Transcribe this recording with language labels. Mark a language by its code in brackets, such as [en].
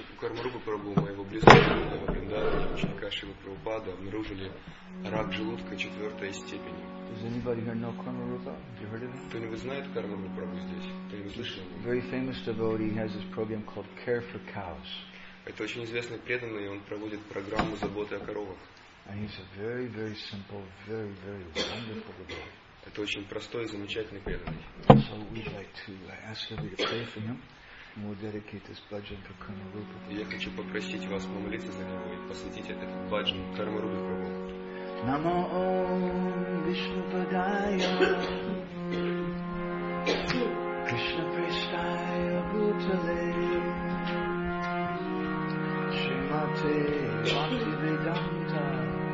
[ru] Кармарупа Прабху, моего близкого Вриндавана, ученика Шрилы Прабхупады, обнаружили рак желудка четвертой степени. [en] Does anybody here know Кармарупа? Have you heard of him? [ru] Кто-нибудь знает Кармарупа Прабху здесь? Кто-нибудь слышал о нем? [en] Very famous devotee. He has this program called Care for Cows. [ru] Это очень известный преданный, и он проводит программу заботы о коровах. [en] And he's a very, very simple, very, very wonderful devotee. [ru] Это очень простой и замечательный преданный. [en] So we'd like to ask you to pray for him, and we'll dedicate this bhajan to Karma Rupa. [ru] Я хочу попросить вас помолиться за него и посвятить этот бхаджан Карма Рупа Прабху. [sa] Намо Ом Вишну Падая, Кришна Престая Бутале, Шримате Бхакти Веданта.